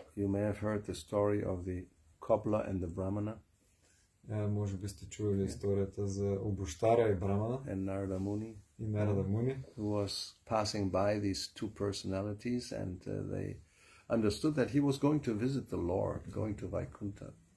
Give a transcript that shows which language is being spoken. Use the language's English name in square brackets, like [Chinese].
[English] You may have heard the story of the cobbler and the brahmana. [Bulgarian] Може би сте чували историята за обущаря и брамана. [English] And Narada Muni. who was passing by these two personalities, and they understood that he was going to visit the Lord, going to Vaikuntha.